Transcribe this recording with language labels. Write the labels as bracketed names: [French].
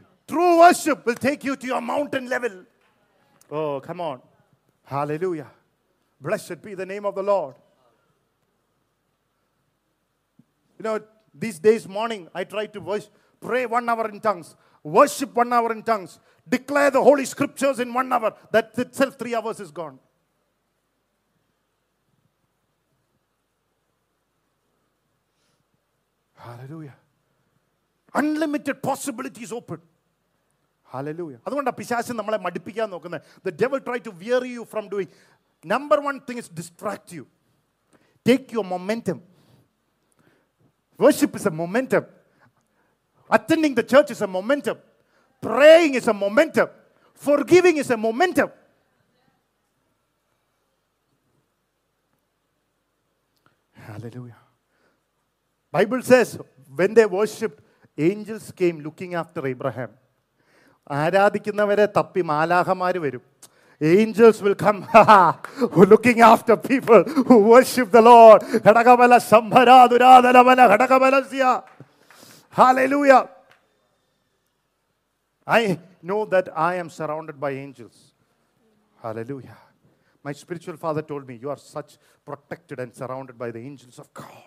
[English] True worship will take you to your mountain level. Oh come on. Hallelujah. Blessed be the name of the Lord. You know these days morning I try to pray 1 hour in tongues, worship 1 hour in tongues, declare the holy scriptures in 1 hour, that itself 3 hours is gone. Hallelujah. Unlimited possibilities open. Hallelujah. [Malayalam] അതുകൊണ്ട് പിശാച് നമ്മളെ മടുപ്പിക്കാൻ നോക്കുന്നത്. [English] The devil try to weary you from doing. Number one thing is distract you. Take your momentum. Worship is a momentum. Attending the church is a momentum. Praying is a momentum. Forgiving is a momentum. Hallelujah. Bible says, when they worshipped, angels came looking after Abraham. [Malayalam] ആരാധിക്കുന്നവരെ തപ്പി മാലാഖമാർ വരും. [English] Angels will come looking after people who worship the Lord. ഘടകബല സംഭരാദുരാധനബല ഘടകബലസ്യ. Hallelujah. I know that I am surrounded by angels. Hallelujah. My spiritual father told me, you are such protected and surrounded by the angels of God.